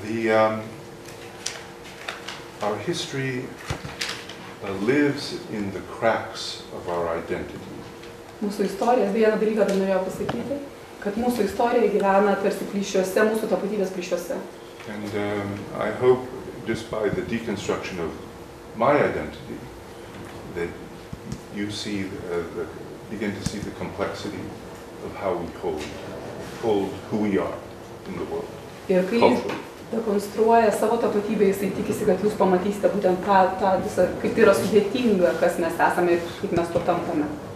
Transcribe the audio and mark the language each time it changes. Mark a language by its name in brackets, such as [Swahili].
[English] Our history lives in the cracks of our identity. [Lithuanian] Mūsų istorija, vieną dalyką dar norėjau pasakyti, kad mūsų istorija gyvena tarsi plyšiuose, mūsų tapatybės plyšiuose. [English] And I hope just by the deconstruction of my identity that you see begin to see the complexity of how we hold who we are in the world. [Lithuanian] Ir kai jis dekonstruoja savo tapatybę, jisai tikisi, kad jūs pamatysite būtent tą visą, kaip tai yra sudėtinga, kas mes esame ir kaip mes to tampame.